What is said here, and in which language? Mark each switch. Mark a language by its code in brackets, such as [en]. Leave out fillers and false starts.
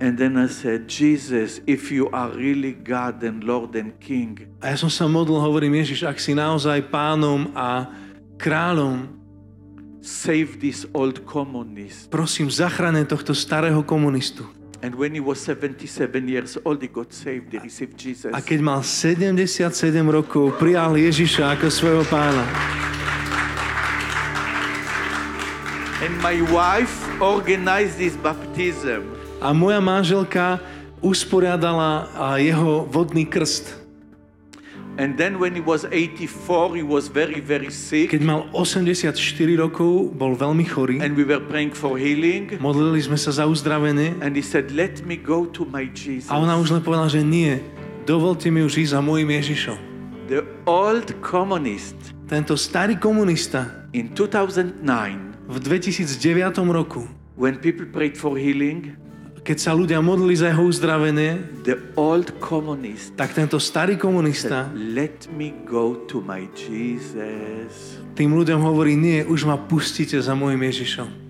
[en] And then I said, Jesus, if you are really God and Lord and King. [sk] A ja som sa modlil, hovorím, Ježiš, ak si naozaj pánom a kráľom, [en] save this old communist. [sk] Prosím, zachráň tohto starého komunistu. [en] And when he was 77 years old, he got saved, he received Jesus. [sk] A keď mal 77 rokov, prijal Ježiša ako svojho pána. [en] And my wife organized this baptism. [sk] A moja manželka usporiadala jeho vodný krst. [en] And then when he was 84, he was very, very sick. [sk] Keď mal 84 rokov, bol veľmi chorý. [en] And we were praying for healing. [sk] Modlili sme sa za uzdravenie. [en] And he said, let me go to my Jesus. [sk] A ona už len povedala, že nie, dovolte mi už ísť za môjim Ježišom. [en] The old communist. [sk] Tento starý komunista. [en] In 2009. [sk] V 2009 roku, [en] when people prayed for healing, [sk] keď sa ľudia modlili za jeho uzdravenie, [en] the old communist, [sk] tak tento starý komunista [en] said, let me go to my Jesus. [sk] Tým ľuďom hovorí, nie, už ma pustite za môjim Ježišom.